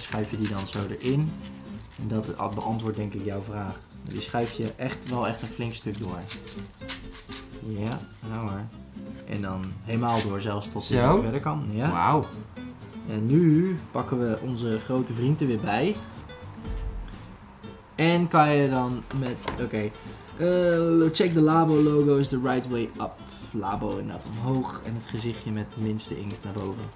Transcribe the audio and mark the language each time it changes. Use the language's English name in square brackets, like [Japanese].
[Dutch] Schuif je die dan zo erin. En dat beantwoordt denk ik jouw vraag. Die schuif je echt wel echt een flink stuk door. Ja, nou hoor. En dan helemaal door zelfs tot de verder kan. Ja. Wauw. En nu pakken we onze grote vrienden weer bij. En kan je dan met, oké. [English] Check the Labo logo is the right way up. [Dutch] Labo inderdaad omhoog en het gezichtje met de minste inkt naar boven.